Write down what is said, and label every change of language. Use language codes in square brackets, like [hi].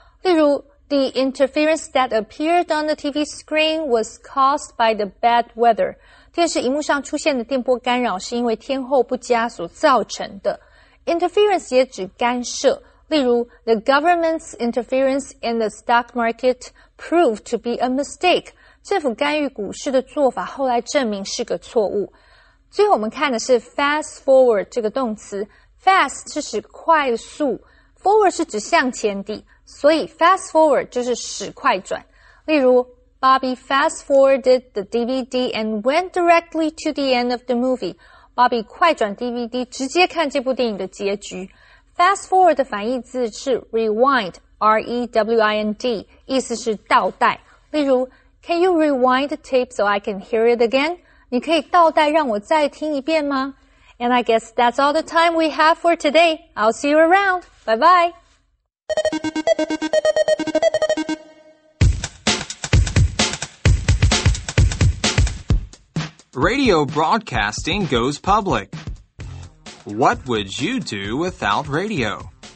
[en] 例如The interference that appeared on the TV screen was caused by the bad weather. [zh] 电视荧幕上出现的电波干扰是因为天候不佳所造成的。 [en] Interference [zh] 也指干涉，例如 [en] The government's interference in the stock market proved to be a mistake. [zh] 政府干预股市的做法后来证明是个错误。最后我们看的是 fast forward 这个动词。Fast 是指快速， forward 是指向前的。所以 fast forward 就是使快转。 [en] 例如 ,Bobby fast forwarded the DVD and went directly to the end of the movie. [zh] Bobby 快转 DVD 直接看这部电影的结局。 Fast forward 的反义字是 rewind,R-E-W-I-N-D, 意思是倒带。 [en] 例如 ,Can you rewind the tape so I can hear it again? [zh] 你可以倒带让我再听一遍吗？ [en] And I guess that's all the time we have for today. I'll see you around. Bye bye. Radio broadcasting goes public. What would you do without radio?